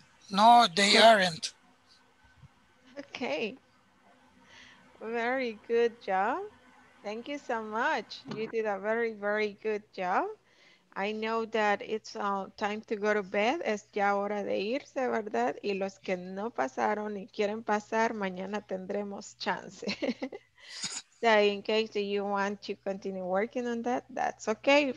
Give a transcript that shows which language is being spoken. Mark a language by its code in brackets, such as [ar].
[en] No, they aren't. Okay. Very good job. Thank you so much. You did a very, very good job. I know that it's time to go to bed. [es] Es ya hora de irse, ¿verdad? Y los que no pasaron y quieren pasar, mañana tendremos chance. [en] So in case you want to continue working on that, that's okay.